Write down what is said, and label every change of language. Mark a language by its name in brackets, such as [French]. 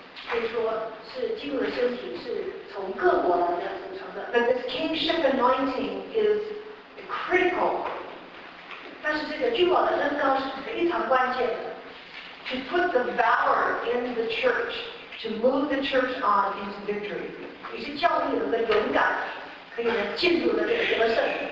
[Chinese] 可以说是基督的身体是从各国来的组成的。 [English] But this kingship anointing is critical. [Chinese] 但是这个君王的恩膏是非常关键的。 [English] To put the valor in the church, to move the church on into victory. [Chinese] 也是教会有个勇敢，可以呢进入的这个得胜。